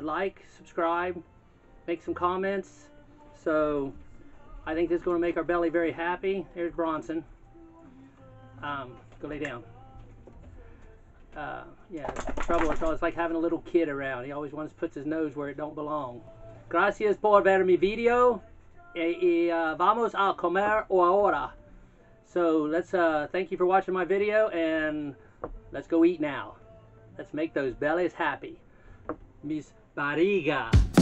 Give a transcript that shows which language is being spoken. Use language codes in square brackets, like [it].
[en] Like, subscribe, make some comments. So I think this is gonna make our belly very happy. Here's Bronson. Go lay down. Trouble. It's like having a little kid around. He always wants to put his nose where it don't belong. [es] Gracias por ver mi video. Vamos a comer ahora. [en] So let's thank you for watching my video, and let's go eat now. Let's make those bellies happy. [es] Mis bariga.